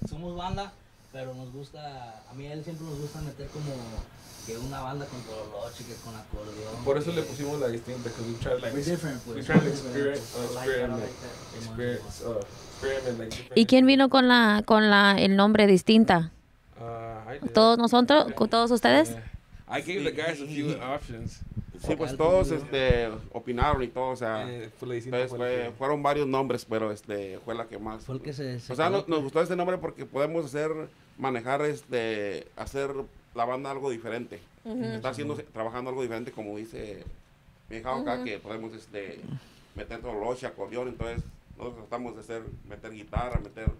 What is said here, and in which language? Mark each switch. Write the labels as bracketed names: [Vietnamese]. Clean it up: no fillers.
[Spanish] Somos banda, pero nos gusta, a mí a él siempre nos gusta meter como que una banda con todos los chicos con acordeón. Por eso le pusimos la distinta, porque [English] we tried like experiment. [Spanish] ¿Y quién vino con la el nombre distinta? Todos nosotros, [English] yeah, [Spanish] todos ustedes. [English] Yeah. I gave the guys a few options. [Spanish] Sí, pues todos opinaron y todo, o sea, pues, fueron varios nombres, pero fue la que más. Fue el que se o sea, nos gustó este nombre porque podemos hacer la banda algo diferente, uh-huh, está haciendo, trabajando algo diferente, como dice mi hija, uh-huh, acá, que podemos meter todo loche, acordeón, entonces nosotros tratamos de hacer, meter guitarra, meter...